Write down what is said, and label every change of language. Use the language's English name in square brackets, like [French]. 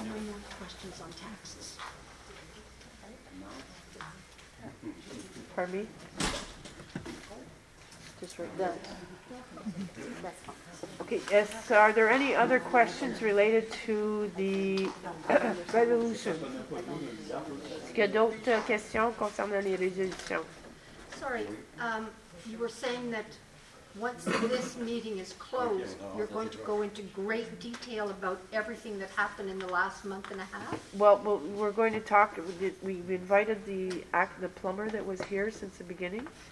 [English] No more questions on taxes. Pardon me? Just write that. Okay, yes, so are there any other questions related to the resolution? [French] Est-ce qu'il y a d'autres questions concernant les résolutions? [English] Sorry, you were saying that once this meeting is closed, you're going to go into great detail about everything that happened in the last month and a half? Well, we're going to talk, we invited the plumber that was here since the beginning.